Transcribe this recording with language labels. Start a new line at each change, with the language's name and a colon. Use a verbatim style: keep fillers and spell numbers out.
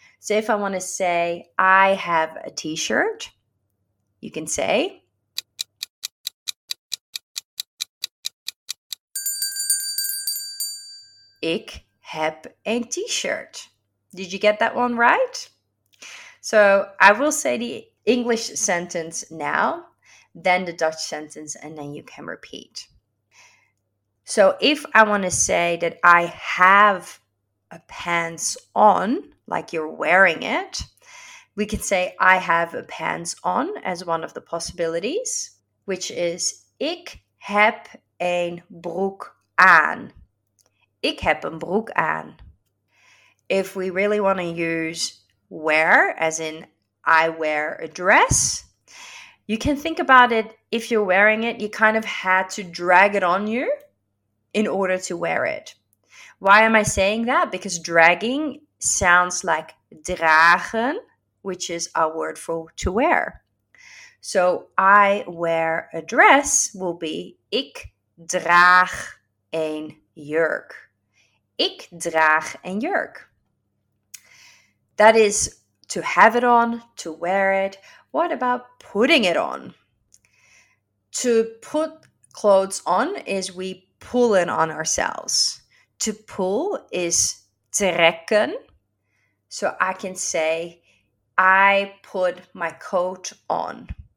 English: So if I want to say, I have a t-shirt, you can say,
Dutch: ik heb een t-shirt.
English: Did you get that one right? So I will say the English sentence now, then the Dutch sentence, and then you can repeat. So if I want to say that I have a pants on, like you're wearing it, we can say I have a pants on as one of the possibilities, which is
Dutch: ik heb een broek aan. Ik heb een broek aan.
English: If we really want to use wear, as in I wear a dress, you can think about it. If you're wearing it, you kind of had to drag it on you in order to wear it. Why am I saying that? Because dragging sounds like dragen, which is our word for to wear. So I wear a dress will be
Dutch: ik draag een jurk. Ik draag een jurk.
English: That is to have it on, to wear it. What about putting it on? To put clothes on is we pull it on ourselves. To pull is trekken. So I can say, I put my coat on.